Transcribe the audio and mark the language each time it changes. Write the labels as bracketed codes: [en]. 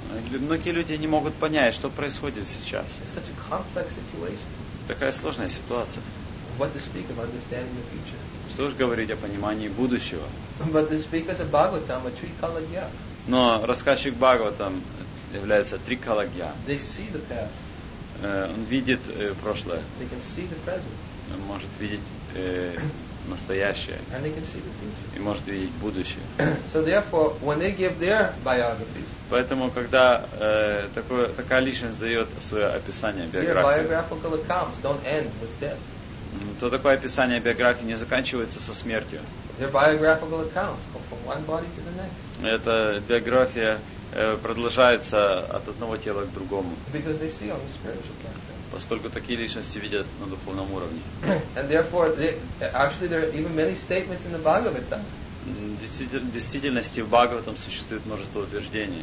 [ru] Многие люди не могут понять, что происходит сейчас. [en] It's such a complex situation. [ru] Такая сложная ситуация. [en] What to speak of understanding the future? [ru] Что же говорить о понимании будущего? [en] But to speak as a Bhagavatam, a Trikalagya. [ru] Но рассказчик Бхагаватам является Трикалагья. [en] They see the past. [ru] Он видит прошлое. [en] They can see the present. [ru] Он может видеть настоящее. [en] And they can see the future. [ru] И может видеть будущее. [en] So therefore, when they give their biographies, [ru] поэтому, когда такая личность дает свое описание биографии, то такое описание биографии не заканчивается со смертью. [en] Their biographical accounts go from one body to the next. [ru] Эта биография продолжается от одного тела к другому. [en] Because they see on the spiritual plane. [ru] Поскольку такие личности видят на духовном уровне. [en] And therefore, actually, there are even many statements in the Bhagavatam. [ru] В действительности в Бхагаватам существует множество утверждений.